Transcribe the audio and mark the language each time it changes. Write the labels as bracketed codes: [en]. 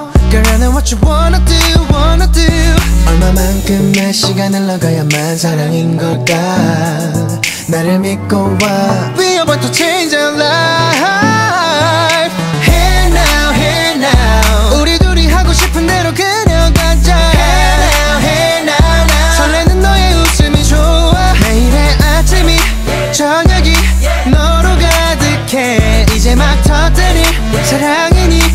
[en] Girl, I know what you wanna do, wanna do. [ko] 얼마만큼의 시간을 넘어가야만 사랑인 걸까. 나를 믿고 와. [en] We are about to change our life. Here now, here now. [ko] 우리 둘이 하고 싶은 대로 그냥 가자. [en] Here now, here now, now. [ko] 설레는 너의 웃음이 좋아. 매일의 아침이 저녁이 너로 가득해. 이제 막 터뜨릴 사랑이니.